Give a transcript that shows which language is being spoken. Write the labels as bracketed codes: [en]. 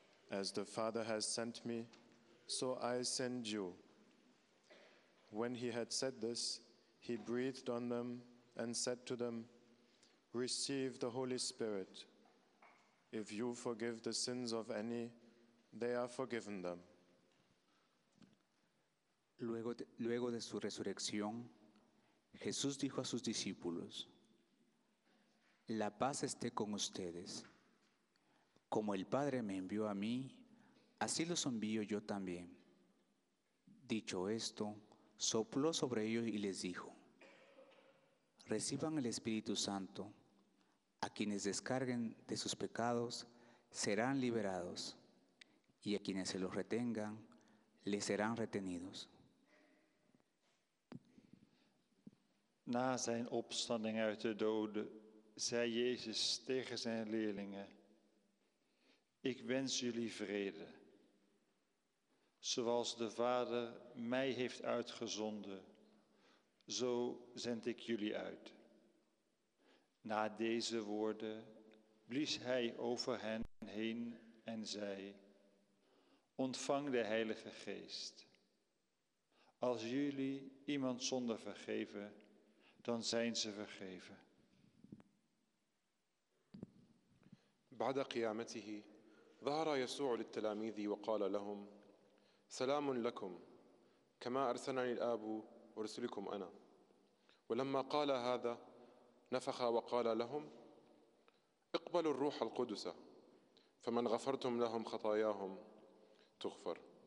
[en] As the Father has sent me, so I send you." When he had said this, he breathed on them and said to them, "Receive the Holy Spirit. If you forgive the sins of any, they are forgiven them." [es] Luego de su resurrección, Jesús dijo a sus discípulos, "La paz esté con ustedes. Como el Padre me envió a mí, así los envío yo también." Dicho esto, sopló sobre ellos y les dijo, "Reciban el Espíritu Santo. A quienes descarguen de sus pecados serán liberados, y a quienes se los retengan les serán retenidos." [nl] Na zijn opstanding uit de doden, zei Jezus tegen zijn leerlingen, "Ik wens jullie vrede. Zoals de Vader mij heeft uitgezonden, zo zend ik jullie uit." Na deze woorden blies hij over hen heen en zei, "Ontvang de Heilige Geest. Als jullie iemand zonde vergeven, dan zijn ze vergeven." [ar] بعد قيامته ظهر يسوع للتلاميذ وقال لهم, "سلام لكم, كما أرسلني الآب أرسلكم أنا." ولما قال هذا نفخ وقال لهم, "اقبلوا الروح القدس, فمن غفرتم لهم خطاياهم تغفر."